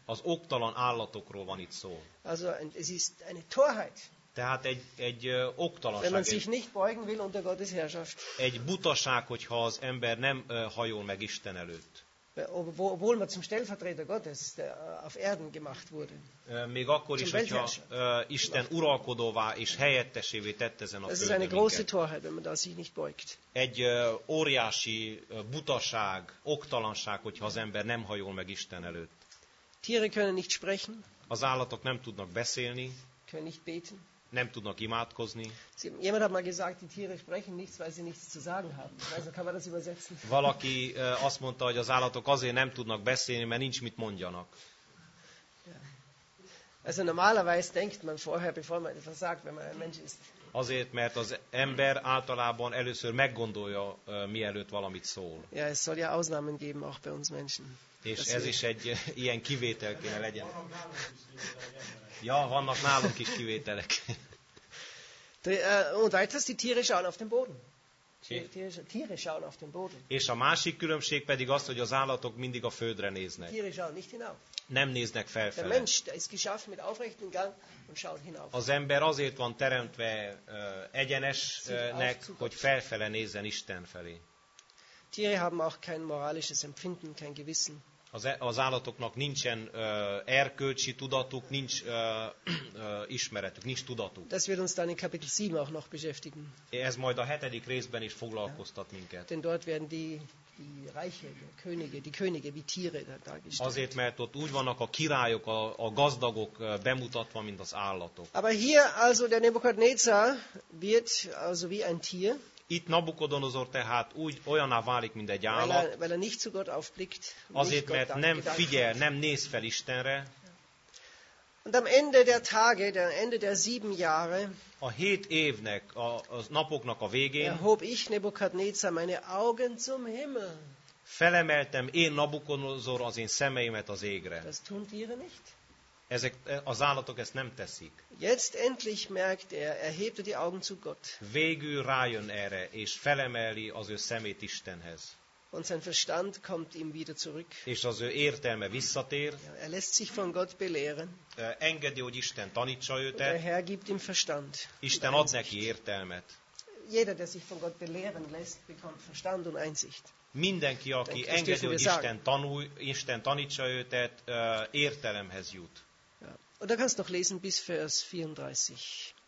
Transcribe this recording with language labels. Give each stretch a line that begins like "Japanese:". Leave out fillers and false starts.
Hungarian: Az oktalan állatokról van itt szó.
German: Also es ist eine Torheit.
Hungarian: Tehát egy oktalanság.
German: Wenn man sich nicht beugen will unter Gottes Herrschaft.
Hungarian: Egy butaság, hogyha az ember nem hajol meg Isten előtt.
German: Obwohl man zum Stellvertreter Gottes der auf Erden gemacht wurde.
Hungarian: Még akkor is, hogyha Isten uralkodóvá és helyettesévé tett ezen a földön.
German: Das ist eine große Torheit, wenn man da sich nicht beugt.
Hungarian: Egy óriási butaság, oktalanság, hogyha az ember nem hajol meg Isten előtt.
German: Tiere können nicht sprechen.
Hungarian: Az állatok nem tudnak beszélni.
German: Können nicht beten.
Hungarian: Nem tudnak imádkozni.
German: Jemand hat mal gesagt, die Tiere sprechen nichts, weil sie nichts zu sagen haben. Also kann man das übersetzen.
Hungarian: Valaki azt mondta, hogy az állatok azért nem tudnak beszélni, mert nincs mit mondjanak.
German: Also normalerweise denkt man vorher, bevor man etwas sagt, wenn man ein Mensch ist.
Hungarian: Azért, mert az ember általában először meggondolja, mielőtt valamit szól.
German: Ja, es soll ja Ausnahmen geben, auch bei uns Menschen.
Hungarian: És ez is egy ilyen kivétel kéne legyen. Ja, vannak nálunk is kivételek.
German: Und weiters, die Tiere schauen auf den Boden. Tiere schauen auf den Boden.
Hungarian: És a másik különbség pedig az, hogy az állatok mindig a földre néznek.
German: Tiere schauen nicht hinauf.
Hungarian: Nem néznek felfele.
German: Der Mensch ist geschaffen mit aufrechtem Gang und schaut hinauf.
Hungarian: Az ember azért van teremtve egyenesnek, hogy felfele nézzen Isten felé.
German: Tiere haben auch kein moralisches Empfinden, kein Gewissen.
Hungarian: Az állatoknak nincsen erkölcsi tudatuk, nincs ismeretük, nincs tudatuk.
German: Das wird uns dann in Kapitel 7 auch noch beschäftigen.
Hungarian: Ez majd a hetedik részben is foglalkoztat minket.
German: Denn dort werden die Reiche, die Könige, wie Tiere dargestellt.
Hungarian: Azért, mert ott úgy vannak a királyok, a gazdagok bemutatva, mint az állatok.
German: Aber hier also der Nebukadnezar wird also wie ein Tier.
Hungarian: Itt Nabukodonozor tehát úgy olyanná válik, mint egy állat,
German: weil er nicht zu Gott aufblickt,
Hungarian: azért, mert nem figyel, nem néz fel Istenre.
German: Und am Ende der Tage, am Ende der sieben Jahre,
Hungarian: a hét évnek, a napoknak a végén,
German: erhob ich Nebukadnezar meine Augen zum Himmel.
Hungarian: Felemeltem én Nabukodonozor az én szemeimet az égre.
German: Das tun Tiere nicht.
Hungarian: Ezek, az állatok ezt nem teszik.
German: Jetzt endlich merkt er hebt die Augen zu Gott.
Hungarian: Végül rájön erre, és felemeli az ő szemét Istenhez.
German: Und sein Verstand kommt ihm wieder zurück.
Hungarian: És az ő értelme visszatér.
German: Er lässt sich von Gott belehren.
Hungarian: Engedi, hogy Isten tanítsa őt.
German: Der Herr gibt ihm Verstand.
Hungarian: Isten ad neki értelmet.
German: Jeder, der sich von Gott belehren lässt, bekommt Verstand und Einsicht.
Hungarian: Mindenki, aki engedi, hogy Isten tanul, Isten tanítsa őt, értelemhez jut.
German: Und da kannst du noch lesen bis Vers 34.